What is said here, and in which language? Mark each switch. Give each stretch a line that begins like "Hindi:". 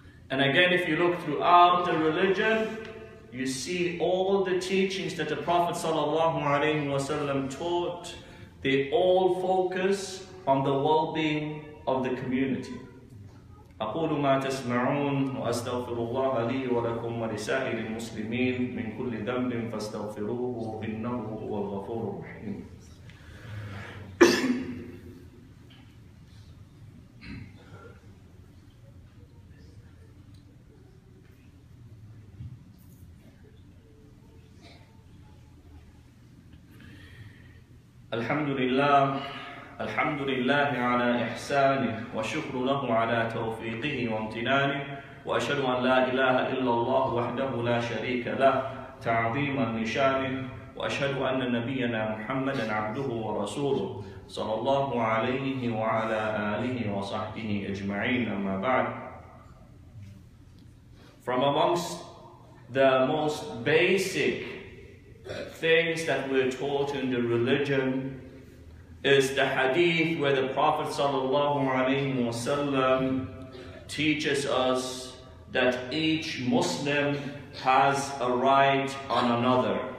English: And again, if you look throughout the religion, you see all the teachings that the Prophet sallallahu alaihi wasallam taught, they all focus on the well-being of the community.
Arabic: أقول ما تسمعون وأستغفر الله لي ولكم ولسائر المسلمين من كل ذنب فاستغفروه إنه هو الغفور الرحيم. الحمد لله الحمد لله على إحسانه وشكر له على توفيقه وامتنانه وأشهد أن لا إله إلا الله وحده لا شريك له تعظيما لشانه وأشهد أن نبينا محمدا عبده ورسوله صلى الله عليه وعلى آله وصحبه أجمعين. أما بعد,
English: from amongst the most basic things that we're taught in the religion is the hadith where the Prophet sallallahu alaihi wasallam teaches us that each Muslim has a right on another.